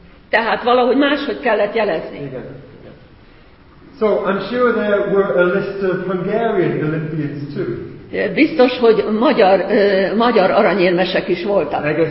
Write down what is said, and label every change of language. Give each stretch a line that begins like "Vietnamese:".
Hungarian: Tehát valahogy máshogy kellett jelezni.
English: So I'm sure there were a list of Hungarian Olympians too.
Hungarian: Biztos, hogy magyar aranyérmesek is voltak.